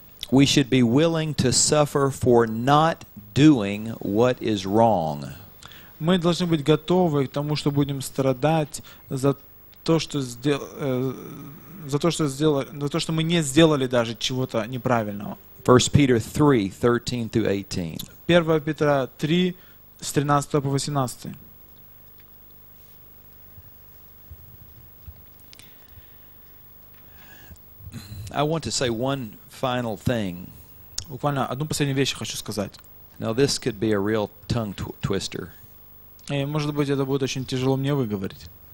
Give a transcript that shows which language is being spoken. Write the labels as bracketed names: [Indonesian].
[English] We should be willing to suffer for not doing what is wrong. [Russian] Мы должны быть готовы к тому, что будем страдать за то, что за то, что мы не сделали даже чего-то неправильного. 1 Петра 3, с 13 по 18. [English] I want to say one final thing. [Russian] Буквально одну последнюю вещь хочу сказать. [English] Now this could be a real tongue twister. [Russian] И, может быть, это будет очень тяжело мне выговорить.